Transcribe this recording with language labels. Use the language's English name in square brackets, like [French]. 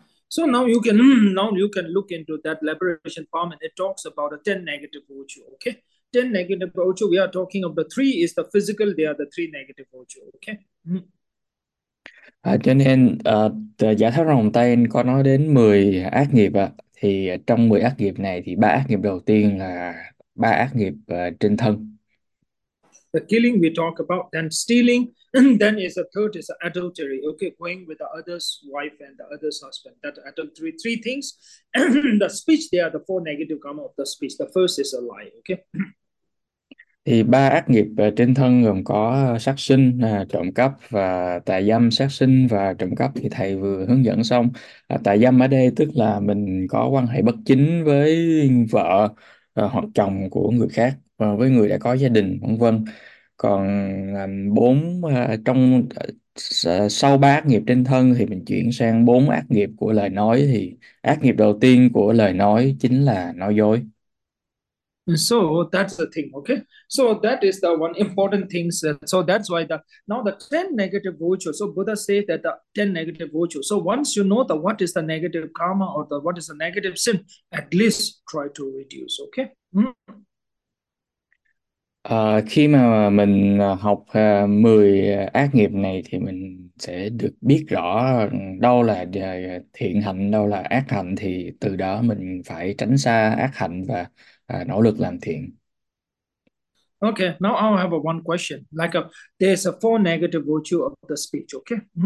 [English] So now you can look into that liberation form, and it talks about the 10 negative virtue. Okay, 10 negative virtue. We are talking of the three is the physical. They are the three negative virtue. Okay. [Vietnamese] Cho nên Giả Thất Rồng Tây có nói đến 10 ác nghiệp ạ. Thì trong 10 ác nghiệp này thì ba ác nghiệp đầu tiên là ba ác nghiệp trên thân. [English] The killing we talk about, then stealing, and then is the third is the adultery. Okay, going with the other's wife and the other's husband. That adultery, three things. The speech, they are the four negative karma of the speech. The first is a lie. Okay. [Vietnamese] Thì ba ác nghiệp trên thân gồm có sát sinh, trộm cắp và tà dâm. Sát sinh và trộm cắp thì thầy vừa hướng dẫn xong. Tà dâm ở đây tức là mình có quan hệ bất chính với vợ hoặc chồng của người khác, với người đã có gia đình, vân vân. Còn bốn trong sau ba ác nghiệp trên thân thì mình chuyển sang bốn ác nghiệp của lời nói. Thì ác nghiệp đầu tiên của lời nói chính là nói dối. [English] So that's the thing, okay? So that is the one important thing. So that's why the 10 negative virtue. So Buddha said that the 10 negative virtue. So once you know the what is the negative karma or the what is the negative sin, at least try to reduce, okay? [Vietnamese] Khi mà mình học 10 ác nghiệp này thì mình sẽ được biết rõ đâu là thiện hạnh, đâu là ác hạnh, thì từ đó mình phải tránh xa ác hạnh và nỗ lực làm thiện. [English] Okay, now I'll have a one question. Like a there's a four negative virtue of the speech, okay?